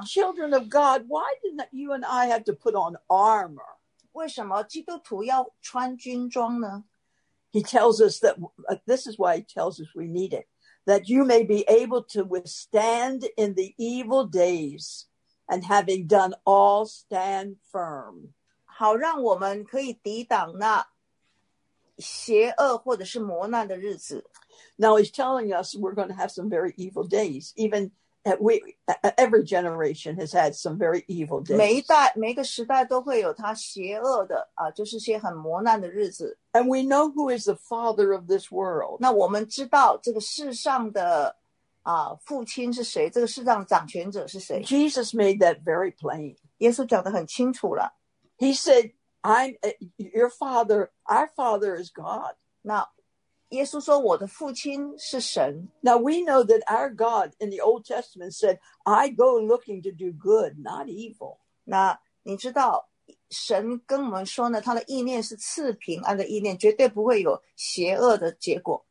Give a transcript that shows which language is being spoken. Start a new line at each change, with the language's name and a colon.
English: Now, children of God, why didn't you and I have to put on armor?
Chinese: 为什么基督徒要穿军装呢？
English: He tells us that, this is why he tells us we need it, that you may be able to withstand in the evil days, and having done all, stand firm.
Chinese: 好让我们可以抵挡那邪恶或者是磨难的日子。
English: Now he's telling us we're going to have some very evil days. Even every generation has had some very evil days.
Chinese: 每个时代都会有他邪恶的啊，就是些很磨难的日子。
English: And we know who is the father of this world.
Chinese: 那我们知道这个世上的父亲是谁，这个世上的掌权者是谁。
English: Jesus made that very plain.
Chinese: 耶稣讲得很清楚了。
English: He said,our father is God.
Chinese: 那耶稣说我的父亲是神。
English: Now we know that our God in the Old Testament said, I go looking to do good, not evil.
Chinese: 那你知道神跟我们说呢，他的意念是赐平安的意念，绝对不会有邪恶的结果。